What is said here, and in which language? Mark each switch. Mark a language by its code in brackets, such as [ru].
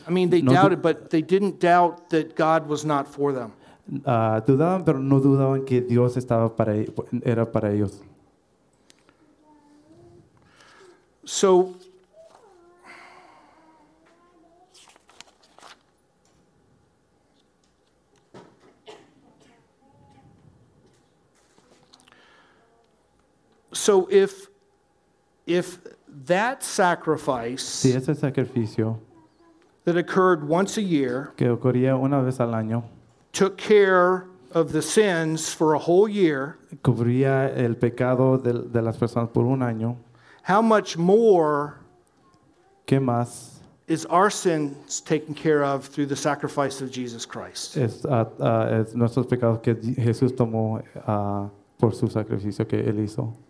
[en] I mean, they doubted, but they didn't doubt that God was not for them. [es] Dudaban, pero no dudaban que Dios estaba era para ellos. [en] So, if that sacrifice, [es] si ese sacrificio [en] that occurred once a year, [es] que ocurría una vez al año, [en] took care of the sins for a whole year, [es] cubría el pecado de las personas por un año. [en] How much more? [es] ¿Qué más? [en] Is our sins taken care of through the sacrifice of Jesus Christ? [es] Es nuestros pecados que Jesús tomó por su sacrificio que él hizo.